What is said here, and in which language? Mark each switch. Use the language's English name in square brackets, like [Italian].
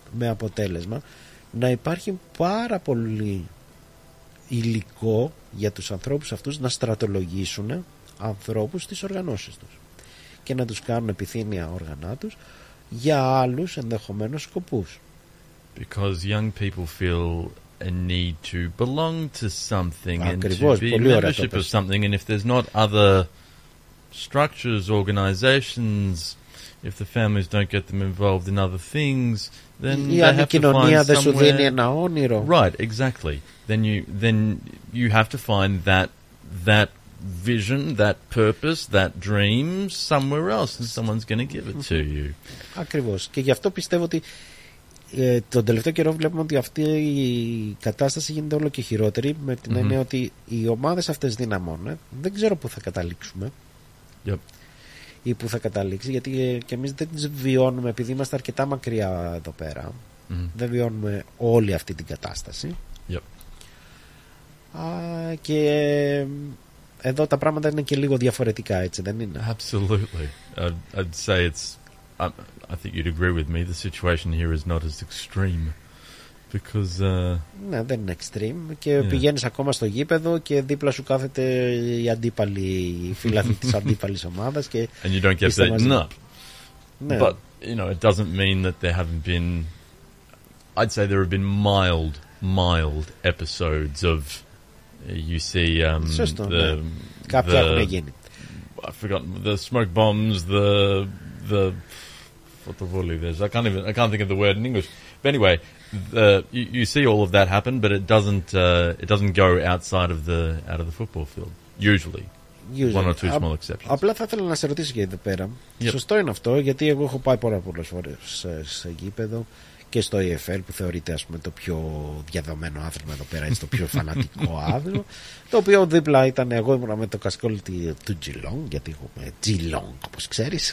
[Greek] Με αποτέλεσμα να υπάρχει πάρα πολύ υλικό για τους ανθρώπους αυτούς να στρατολογήσουν ανθρώπους στις οργανώσεις τους και να τους κάνουν επιθύμια όργανά τους για άλλους ενδεχομένους σκοπούς. [English] Because young people feel a need to belong to something. [Greek] Ακριβώς, [English] and to be a membership of something, and if there's not other structures, organizations, if the families don't get them involved in other things, then they have to find somewhere. [Greek] Η κοινωνία δεν σου δίνει ένα όνειρο. [English] Right, exactly. Then you have to find that vision, that purpose, that dream somewhere else, and someone's going to give it to you. [Greek] Ακριβώς. Και γι' αυτό πιστεύω ότι τον τελευταίο καιρό βλέπουμε ότι αυτή η κατάσταση γίνεται όλο και χειρότερη, με την έννοια ότι οι ομάδες αυτές δυναμώνουν. Δεν ξέρω πού θα καταλήξουμε. [English] Yep. [Greek] Ή πού θα καταλήξει, γιατί και εμείς δεν τις βιώνουμε, επειδή είμαστε αρκετά μακριά εδώ πέρα. Δεν βιώνουμε όλη αυτή την κατάσταση. [English] Yep. [Greek] Και εδώ τα πράγματα είναι και λίγο διαφορετικά, έτσι δεν είναι? [English] Absolutely. I'd say it's... I think you'd agree with me. The situation here is not as extreme. Because... [Greek] Ναι, δεν είναι extreme. Και yeah. πηγαίνεις ακόμα στο γήπεδο και δίπλα σου κάθεται η αντίπαλη, η φίλαθλη της αντίπαλης ομάδας. Και [English] and you don't get that. No. Ναι. But, you know, it doesn't mean that there haven't been... I'd say there have been mild, mild episodes of... You see, [Greek] σωστό, [English] the, [Greek] ναι. [English] the, [Greek] έχουν γίνει. [English] I've forgotten the smoke bombs, the photovoltaics. I can't think of the word in English. But anyway, you see all of that happen, but it doesn't go outside of the football field. Usually, one or two small exceptions. [Greek] Απλά θα ήθελα να σε ρωτήσω για εδώ πέρα. Yep. Σωστό είναι αυτό, γιατί εγώ έχω πάει πάρα πολλές φορές σε γήπεδο. Και στο EFL που θεωρείται, ας πούμε, το πιο διαδομένο άθλημα εδώ πέρα, το πιο φανατικό άθλημα, το οποίο δίπλα ήταν, εγώ ήμουν με το κασκόλ του Geelong, γιατί έχουμε Geelong, όπως ξέρεις.